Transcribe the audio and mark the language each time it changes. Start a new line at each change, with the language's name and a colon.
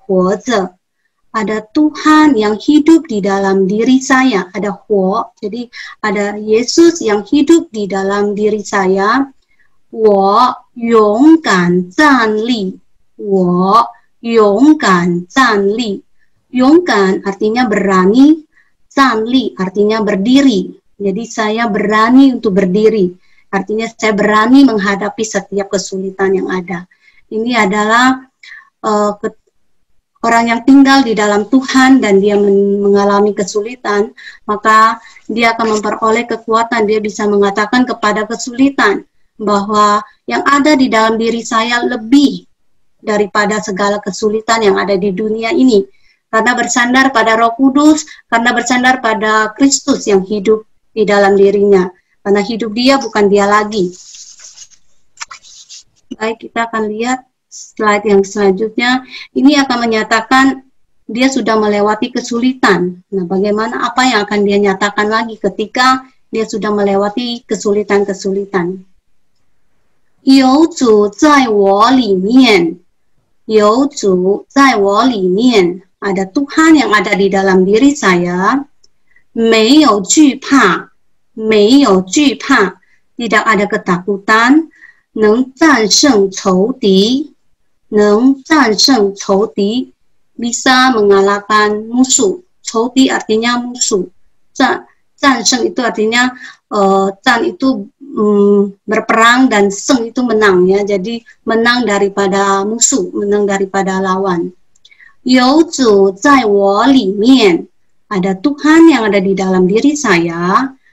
Chinese: 有耶稣在我里面活着。有耶稣在我里面活着。
Indonesian: Ada Tuhan yang hidup di dalam diri saya. Ada huo, jadi ada Yesus yang hidup di dalam diri saya.
Chinese: 我勇敢站立。我勇敢站立。
Indonesian: 勇敢 artinya berani, 站立 artinya berdiri. Jadi saya berani untuk berdiri. Artinya saya berani menghadapi setiap kesulitan yang ada. Ini adalah orang yang tinggal di dalam Tuhan dan dia mengalami kesulitan, maka dia akan memperoleh kekuatan. Dia bisa mengatakan kepada kesulitan bahwa yang ada di dalam diri saya lebih daripada segala kesulitan yang ada di dunia ini. Karena bersandar pada Roh Kudus, karena bersandar pada Kristus yang hidup di dalam dirinya, karena hidup dia bukan dia lagi. Baik, kita akan lihat slide yang selanjutnya. Ini akan menyatakan dia sudah melewati kesulitan. Nah, bagaimana, apa yang akan dia nyatakan lagi ketika dia sudah melewati kesulitan-kesulitan?
Chinese: 有主在我里面。有主在我里面。
Indonesian: Ada Tuhan yang ada di dalam diri saya.
Chinese: 没有惧怕。没有惧怕,
Indonesian: tidak ada ketakutan.
Chinese: 能战胜仇敌, 能战胜仇敌,
Indonesian: bisa mengalahkan musuh. 仇敌 artinya musuh. 战胜 itu artinya 战 itu berperang dan 胜 itu menang, ya. Jadi menang daripada musuh, menang daripada lawan.
Chinese: 有主在我里面,
Indonesian: ada Tuhan yang ada di dalam diri saya.